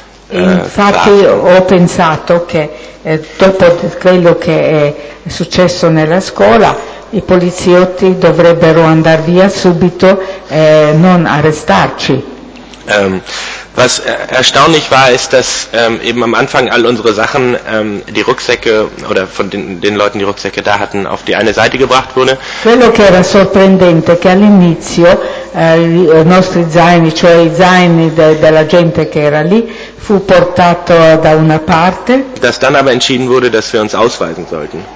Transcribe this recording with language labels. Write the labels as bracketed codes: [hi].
[it] infatti ho pensato che dopo quello che è successo nella scuola i poliziotti dovrebbero andare via subito e non arrestarci. [de] Was erstaunlich war, ist, dass eben am Anfang all unsere Sachen, die Rucksäcke oder von den Leuten, die Rucksäcke da hatten, auf die eine Seite gebracht wurde. [it] Quello che era sorprendente che all'inizio i nostri zaini, cioè i zaini della gente che era lì, fu portato da una parte. [de] Dass dann aber entschieden wurde, dass wir uns ausweisen sollten.